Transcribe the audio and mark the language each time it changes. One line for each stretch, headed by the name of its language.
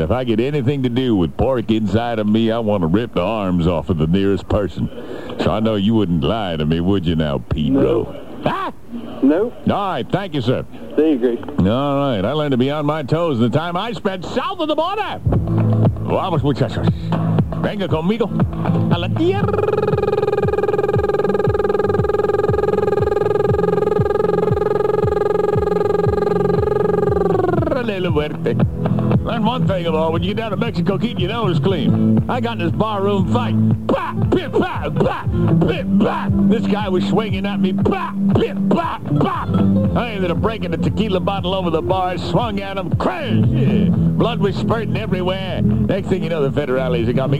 English: If I get anything to do with pork inside of me, I want to rip the arms off of the nearest person. So I know you wouldn't lie to me, would you now, Pedro? Nope. Ah! Nope. All right, thank you, sir. There you go. All right, I learned to be on my toes in the time I spent south of the border.
Spanish: Vamos, muchachos. Venga conmigo a la tierra de la muerte.
English: Learn one thing about when you get down to Mexico, keep your nose clean. I got in this barroom fight. Bah, bip, bah, bah, bip, bah. This guy was swinging at me. Bah, bip, bah, bah. I ended up breaking the tequila bottle over the bar, swung at him. Crash! Blood was spurting everywhere. Next thing you know, the federales are coming.